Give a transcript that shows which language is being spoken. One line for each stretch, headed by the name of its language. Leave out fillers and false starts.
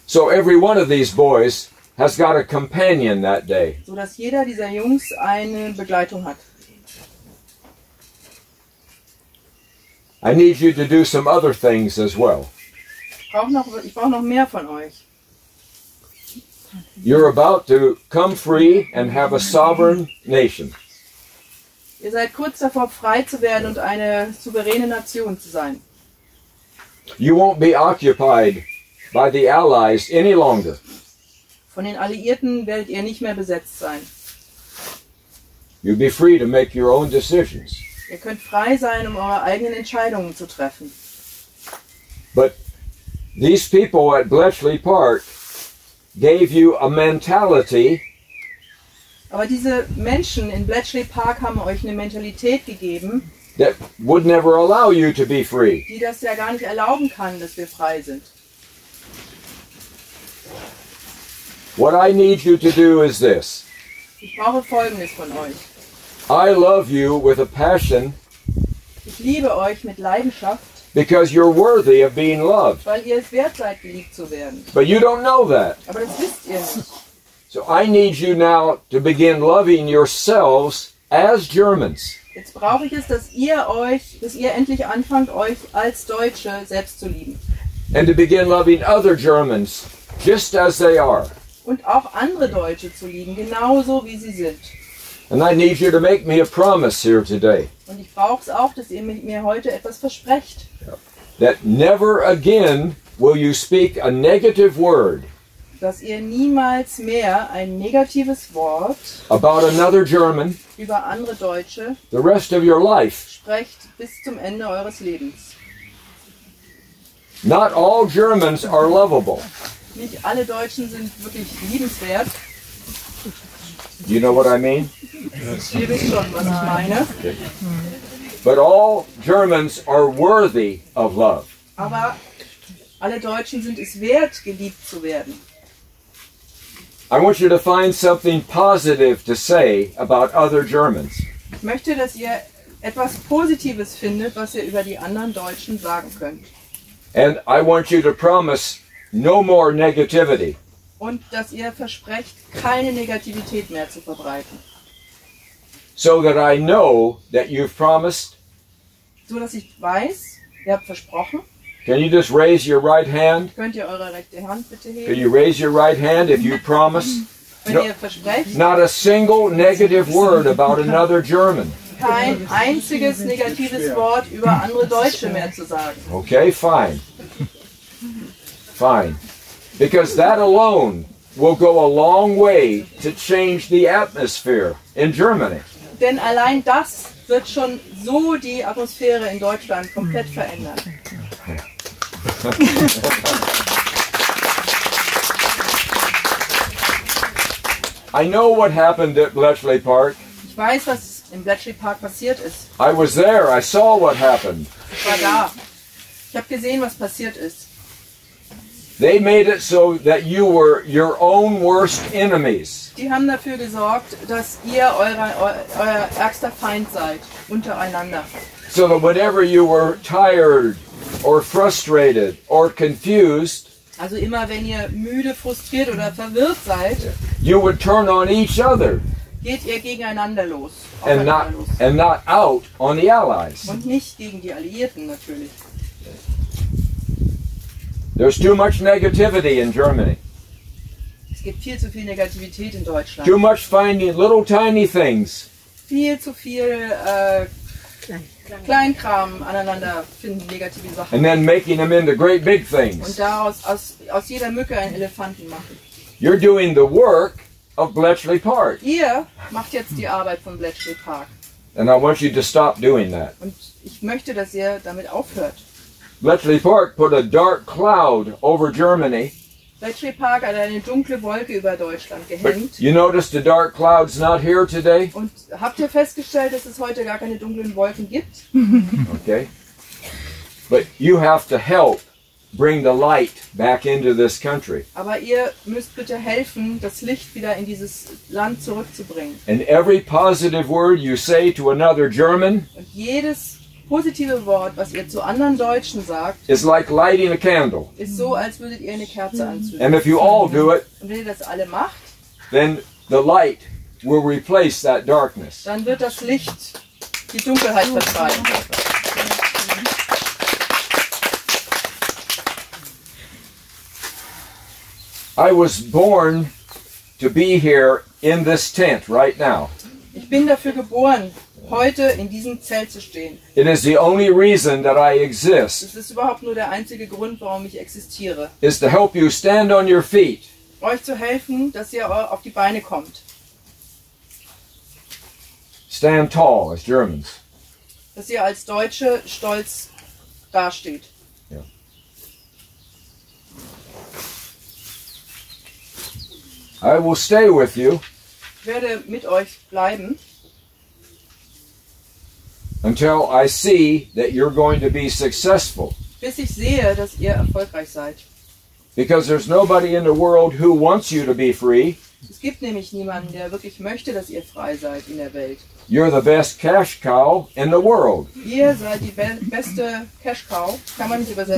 English: So every one of these boys has got a companion that day.
German: So dass jeder dieser Jungs eine Begleitung hat.
English: I need you to do some other things as well.
German: Ich brauche noch mehr von euch.
English: You're about to come free and have a sovereign nation.
German: Ihr seid kurz davor, frei zu werden und eine souveräne Nation zu sein.
English: You won't be occupied by the Allies any longer.
German: Von den Alliierten werdet ihr nicht mehr besetzt sein.
English: You'll be free to make your own decisions.
German: Ihr könnt frei sein, um eure eigenen Entscheidungen zu treffen.
English: But these people at Bletchley Park gave you a mentality.
German: Aber diese Menschen in Bletchley Park haben euch eine Mentalität gegeben,
English: that would never allow you to be free.
German: Die das ja gar nicht erlauben kann, dass wir frei sind.
English: What I need you to do is this.
German: Ich brauche Folgendes von euch.
English: I love you with a passion.
German: Ich liebe euch mit Leidenschaft.
English: Because you're worthy of being loved.
German: Weil ihr es wert seid, geliebt zu werden.
English: But you don't know that.
German: Aber das wisst ihr nicht.
English: So I need you now to begin loving yourselves as Germans.
German: Jetzt brauche ich es, dass ihr endlich anfangt, euch als Deutsche selbst zu lieben.
English: And to begin loving other Germans just as they are.
German: Und auch andere Deutsche zu lieben, genauso wie sie sind.
English: And I need you to make me a promise here today.
German: Und ich brauche es auch, dass ihr mir heute etwas versprecht.
English: That never again will you speak a negative word.
German: Dass ihr niemals mehr ein negatives Wort
English: about another German,
German: über andere Deutsche,
English: the rest of your life,
German: sprecht bis zum Ende eures Lebens.
English: Not all Germans are lovable.
German: Nicht alle Deutschen sind wirklich liebenswert.
English: You know what I mean?
German: Ihr wisst schon, was ich meine.
English: But all Germans are worthy of love.
German: Aber alle Deutschen sind es wert, geliebt zu werden.
English: I want you to find something positive to say about other Germans.
German: Ich möchte, dass ihr etwas Positives findet, was ihr über die anderen Deutschen sagen könnt.
English: And I want you to promise no more negativity.
German: Und dass ihr versprecht, keine Negativität mehr zu verbreiten.
English: So that I know that you've promised.
German: So dass ich weiß, ihr habt versprochen.
English: Can you just raise your right hand?
German: Könnt ihr eure rechte Hand bitte heben?
English: Can you raise your right hand if you promise?
German: Wenn ihr versprecht,
English: not a single negative word about another German.
German: Kein einziges negatives Wort über andere Deutsche mehr zu sagen.
English: Okay, fine. Fine. Because that alone will go a long way to change the atmosphere in Germany.
German: Denn allein das wird schon so die Atmosphäre in Deutschland komplett verändern.
English: Yeah. I know what happened at Bletchley Park.
German: Ich weiß, was im Bletchley Park passiert ist.
English: I was there. I saw what happened.
German: Ich war da. Ich habe gesehen, was passiert ist.
English: They made it so that you were your own worst enemies.
German: Die haben dafür gesorgt, dass ihr euer ärgster Feind seid untereinander.
English: So that whenever you were tired or frustrated or confused,
German: also immer wenn ihr müde, frustriert oder verwirrt seid,
English: you would turn on each other.
German: Geht ihr gegeneinander los.
English: And not out on the allies.
German: Und nicht gegen die Alliierten natürlich.
English: There's too much negativity in Germany.
German: Es gibt viel zu viel Negativität in Deutschland.
English: Too much finding little tiny things.
German: Viel zu viel Kleinkram aneinander finden, negative Sachen.
English: And then making them into great big things.
German: Und daraus aus jeder Mücke einen Elefanten machen.
English: You're doing the work of Bletchley Park.
German: Ihr macht jetzt die Arbeit von Bletchley Park.
English: And I want you to stop doing that.
German: Und ich möchte, dass ihr damit aufhört.
English: Bletchley Park put a dark cloud over Germany.
German: Bletchley Park hat eine dunkle Wolke über Deutschland gehängt.
English: But you noticed the dark cloud's not here today?
German: Und habt ihr festgestellt, dass es heute gar keine dunklen Wolken gibt?
English: Okay. But you have to help bring the light back into this country.
German: Aber ihr müsst bitte helfen, das Licht wieder in dieses Land zurückzubringen.
English: And every positive word you say to another German,
German: und jedes positive Wort, was ihr zu anderen Deutschen sagt,
English: is like lighting a candle.
German: Ist so, als würdet ihr eine Kerze anzünden.
English: And if you all do it,
German: und wenn ihr das alle macht,
English: then the light will replace that darkness.
German: Dann wird das Licht die Dunkelheit vertreiben.
English: I was born to be here in this tent right now.
German: Ich bin dafür geboren, heute in diesem Zelt zu stehen.
English: It is the only reason that I exist.
German: Es ist überhaupt nur der einzige Grund, warum ich existiere.
English: Is to help you stand on your feet.
German: Euch zu helfen, dass ihr auf die Beine kommt.
English: Stand tall as Germans.
German: Dass ihr als Deutsche stolz dasteht.
English: Yeah. I will stay with you.
German: Ich werde mit euch bleiben.
English: Until I see that you're going to be successful.
German: Bis ich sehe, dass ihr erfolgreich seid.
English: Because there's nobody in the world who wants you to be free.
German: Es gibt nämlich niemanden, der wirklich möchte, dass ihr frei seid in der Welt.
English: You're the best cash cow in the world.
German: Ihr seid die beste Cash Cow, kann man nicht übersetzen.